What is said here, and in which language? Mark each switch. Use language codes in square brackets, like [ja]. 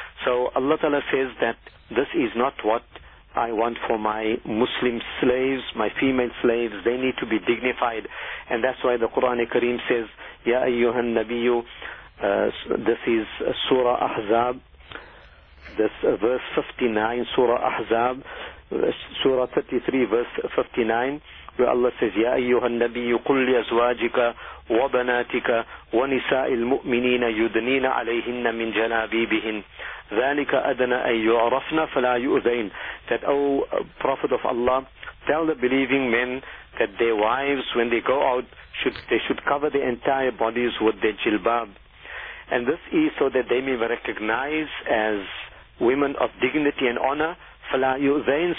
[en] So Allah Ta'ala says that this is not what I want for my Muslim slaves, my female slaves. They need to be dignified. And that's why the Quran Kareem says, [ar] Ya Ayyuhan Nabiyyu, [en] this is Surah Ahzab, this verse 59, Surah Ahzab, Surah 33, verse 59. Where Allah says, [ar] يَا أَيُّهَا النَّبِيُّ قُلْ لِأَزْوَاجِكَ وَبَنَاتِكَ وَنِسَاءِ الْمُؤْمِنِينَ يُدْنِينَ عَلَيْهِنَّ مِنْ جَلَابِيبِهِنَّ ذَلِكَ أَدْنَى أَنْ يُعْرَفْنَ فَلَا يُؤْذَيْنَ. [en] That, O Prophet of Allah, tell the believing men that their wives, when they go out, they should cover their entire bodies with their jilbab. And this is so that they may be recognized as women of dignity and honor. [ar] فَلَا يُؤْذَيْنَ.